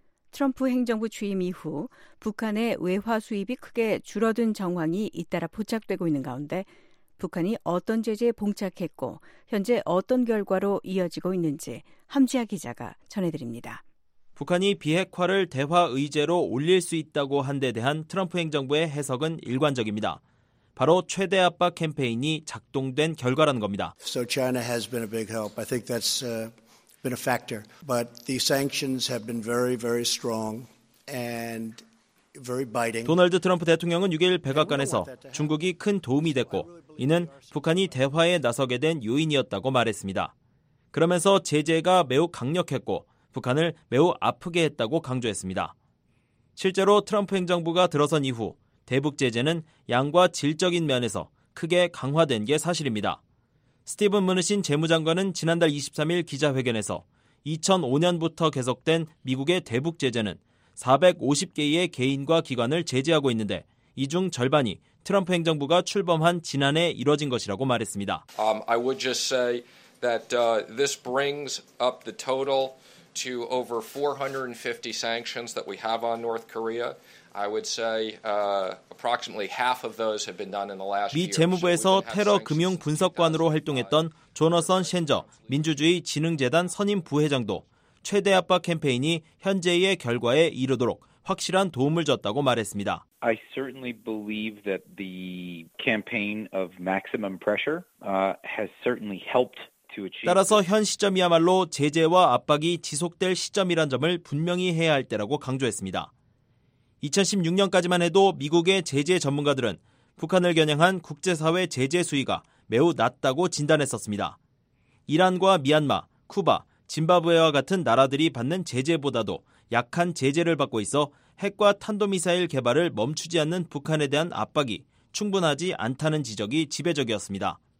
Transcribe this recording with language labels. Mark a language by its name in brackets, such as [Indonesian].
[Korean] 트럼프 행정부 취임 이후 북한의 외화 수입이 크게 줄어든 정황이 잇따라 포착되고 있는 가운데 북한이 어떤 제재에 봉착했고 현재 어떤 결과로 이어지고 있는지 함지아 기자가 전해드립니다. 북한이 비핵화를 대화 의제로 올릴 수 있다고 한 데 대한 트럼프 행정부의 해석은 일관적입니다. 바로 최대 압박 캠페인이 작동된 결과라는 겁니다. [English] So China has been a big help. I think that's been a factor. But the sanctions have been very, very strong and very biting. [Korean] 도널드 트럼프 대통령은 6일 백악관에서 중국이 큰 도움이 됐고 이는 북한이 대화에 나서게 된 요인이었다고 말했습니다. 그러면서 제재가 매우 강력했고 북한을 매우 아프게 했다고 강조했습니다. 실제로 트럼프 행정부가 들어선 이후 대북 제재는 양과 질적인 면에서 크게 강화된 게 사실입니다. 스티븐 머누신 재무장관은 지난달 23일 기자회견에서 2005년부터 계속된 미국의 대북 제재는 450개의 개인과 기관을 제재하고 있는데 이 중 절반이 트럼프 행정부가 출범한 지난해 이뤄진 것이라고 말했습니다. [English] I would just say that this brings up the total to over 450 sanctions that we have on North Korea. I would say approximately half of those have been done in the last year. [Korean] 미 재무부에서 테러 금융 분석관으로 활동했던 조너선 셴저 민주주의 진흥재단 선임 부회장도 최대 압박 캠페인이 현재의 결과에 이르도록 확실한 도움을 줬다고 말했습니다. [English] I certainly believe that the campaign of maximum pressure has certainly helped to achieve. [Korean] 따라서 현 시점이야말로 제재와 압박이 지속될 시점이란 점을 분명히 해야 할 때라고 강조했습니다. 2016년까지만 해도 미국의 제재 전문가들은 북한을 겨냥한 국제사회 제재 수위가 매우 낮다고 진단했었습니다. 이란과 미얀마, 쿠바, 짐바브웨와 같은 나라들이 받는 제재보다도 약한 제재를 받고 있어 핵과 탄도미사일 개발을 멈추지 않는 북한에 대한 압박이 충분하지 않다는 지적이 지배적이었습니다.